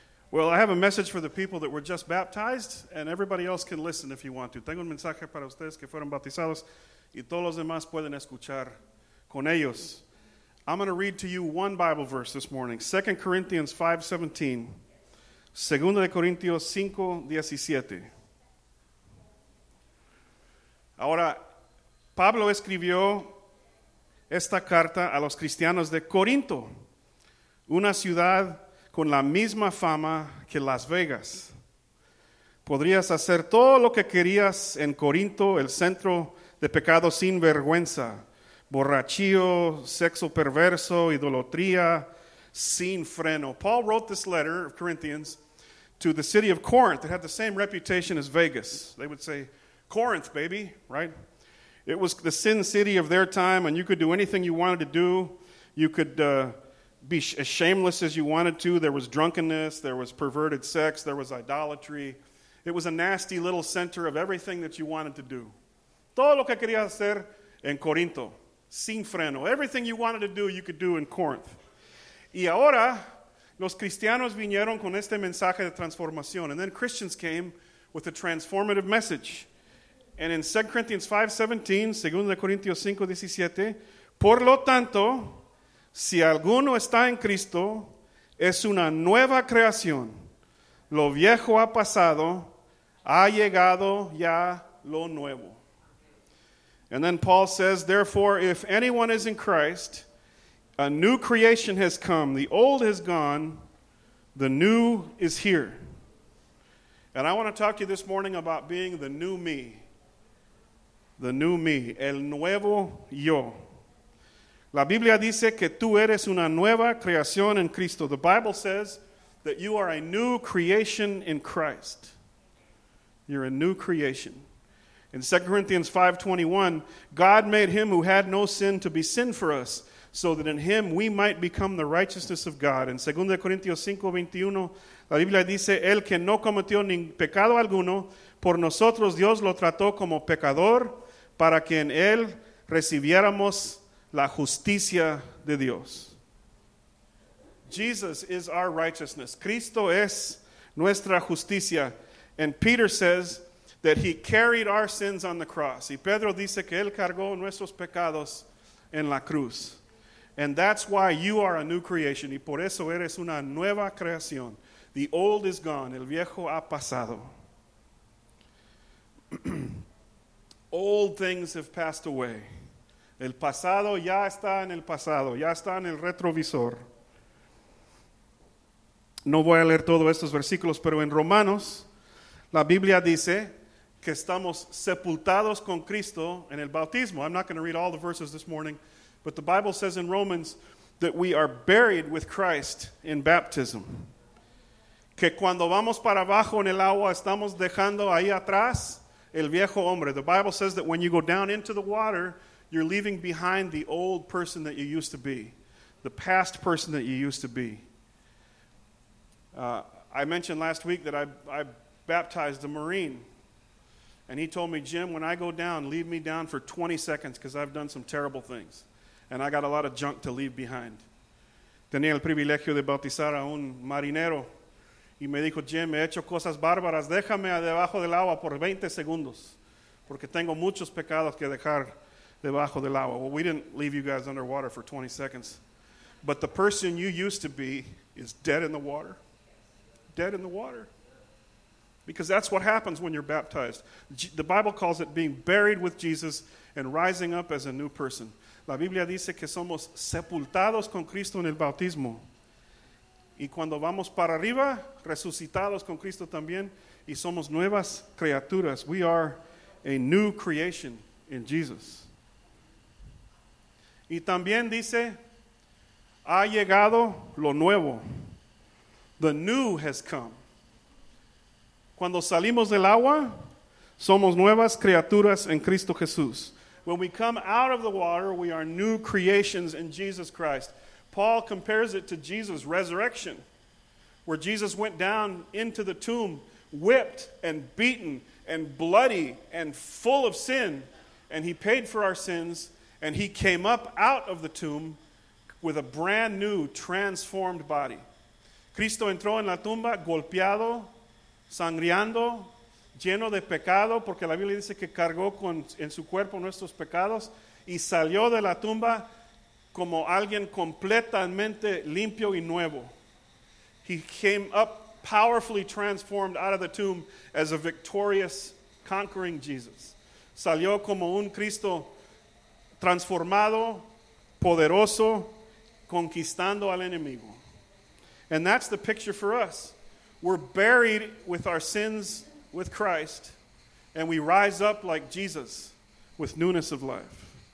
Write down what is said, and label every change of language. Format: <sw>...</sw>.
<en>Well, I have a message for the people that were just baptized, and everybody else can listen if you want to.</en> <es>Tengo un mensaje para ustedes que fueron bautizados, y todos los demás pueden escuchar con ellos.</es> <en>I'm going to read to you one Bible verse this morning, 2 Corinthians 5:17.</en> <es>Segunda de Corintios 5:17. Ahora, Pablo escribió esta carta a los cristianos de Corinto, una ciudad con la misma fama que Las Vegas. Podrías hacer todo lo que querías en Corinto, el centro de pecado sin vergüenza, borrachío, sexo perverso, idolatría, sin freno.</es> <en>Paul wrote this letter of Corinthians to the city of Corinth. It had the same reputation as Vegas. They would say, Corinth, baby, right? It was the sin city of their time, and you could do anything you wanted to do. You could be as shameless as you wanted to. There was drunkenness. There was perverted sex. There was idolatry. It was a nasty little center of everything that you wanted to do.</en> <es>Todo lo que querías hacer en Corinto, sin freno.</es> <en>Everything you wanted to do, you could do in Corinth.</en> <es>Y ahora, los cristianos vinieron con este mensaje de transformación.</es> <en>And then Christians came with a transformative message. And in 2 Corinthians 5:17,</en> <es>2 Corintios 5:17, por lo tanto, si alguno está en Cristo, es una nueva creación. Lo viejo ha pasado, ha llegado ya lo nuevo.</es> <en>And then Paul says, therefore, if anyone is in Christ, a new creation has come. The old has gone, the new is here. And I want to talk to you this morning about being the new me. The new me,</en> <es>el nuevo yo. La Biblia dice que tú eres una nueva creación en Cristo.</es> <en>The Bible says that you are a new creation in Christ. You're a new creation. In 2 Corinthians 5:21, God made him who had no sin to be sin for us, so that in him we might become the righteousness of God. In 2 Corinthians 5:21,</en> <es>la Biblia dice, el que no cometió ni pecado alguno, por nosotros Dios lo trató como pecador, para que en él recibiéramos la justicia de Dios.</es> <en>Jesus is our righteousness.</en> <es>Cristo es nuestra justicia.</es> <en>And Peter says that he carried our sins on the cross.</en> <es>Y Pedro dice que él cargó nuestros pecados en la cruz.</es> <en>And that's why you are a new creation.</en> <es>Y por eso eres una nueva creación.</es> <en>The old is gone.</en> <es>El viejo ha pasado.</es> <en>Old things have passed away.</en> <es>El pasado ya está en el pasado. Ya está en el retrovisor. No voy a leer todos estos versículos, pero en Romanos, la Biblia dice que estamos sepultados con Cristo en el bautismo.</es> <en>I'm not going to read all the verses this morning, but the Bible says in Romans that we are buried with Christ in baptism.</en> <es>Que cuando vamos para abajo en el agua, estamos dejando ahí atrás el viejo hombre.</es> <en>The Bible says that when you go down into the water, you're leaving behind the old person that you used to be, the past person that you used to be. I mentioned last week that I baptized a Marine. And he told me, Jim, when I go down, leave me down for 20 seconds because I've done some terrible things. And I got a lot of junk to leave behind.</en> <es>Tenía el privilegio de bautizar a un marinero. Y me dijo, Jim, he hecho cosas bárbaras. Déjame debajo del agua por 20 segundos. Porque tengo muchos pecados que dejar debajo del agua.</es> <en>Well, we didn't leave you guys underwater for 20 seconds. But the person you used to be is dead in the water. Dead in the water. Because that's what happens when you're baptized. The Bible calls it being buried with Jesus and rising up as a new person.</en> <es>La Biblia dice que somos sepultados con Cristo en el bautismo. Y cuando vamos para arriba, resucitados con Cristo también, y somos nuevas criaturas.</es> <en>We are a new creation in Jesus.</en> <es>Y también dice, ha llegado lo nuevo.</es> <en>The new has come.</en> <es>Cuando salimos del agua, somos nuevas criaturas en Cristo Jesús.</es> <en>When we come out of the water, we are new creations in Jesus Christ. Paul compares it to Jesus' resurrection, where Jesus went down into the tomb, whipped and beaten and bloody and full of sin, and he paid for our sins, and he came up out of the tomb with a brand new, transformed body.</en> <es>Cristo entró en la tumba golpeado, sangriando, lleno de pecado, porque la Biblia dice que cargó con, en su cuerpo nuestros pecados, y salió de la tumba como alguien completamente limpio y nuevo.</es> <en>He came up powerfully transformed out of the tomb as a victorious, conquering Jesus.</en> <es>Salió como un Cristo transformado, poderoso, conquistando al enemigo.</es> <en>And that's the picture for us. We're buried with our sins with Christ, and we rise up like Jesus with newness of life.</en>